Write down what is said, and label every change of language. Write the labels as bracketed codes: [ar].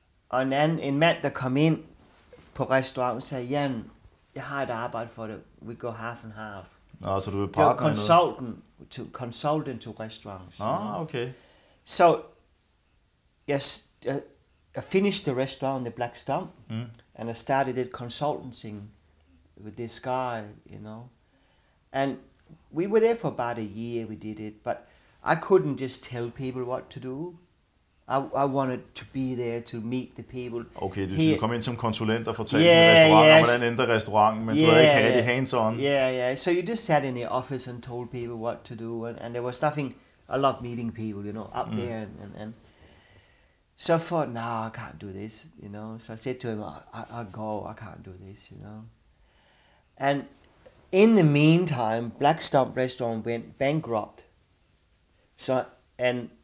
[da] Og en mand, der kom ind på restauranten, sagde, Jan, jeg har et arbejde for dig, [en] we go half and half. [da] Nå, så du er partner. Det var [en] consultant to restaurants. Okay. [da] Så, jeg [en] finished the restaurant, the Black Stump, and I started it consulting with this guy, you know. And we were there for about a year, we did it, but I couldn't just tell people what to do. I wanted to be there to meet the people. [da] Okay, det vil sige, du kom ind som konsulent og fortalte restauranten, hvordan ændrer restauranten, men du havde ikke had det hands-on. [en] Yeah. So you just sat in the office and told people what to do, and there was nothing, I love meeting people, you know, up there. And so I thought, I can't do this, you know. So I said to him, I'll go, I can't do this, you know. And in the meantime, Black Stump Restaurant went bankrupt. So, and...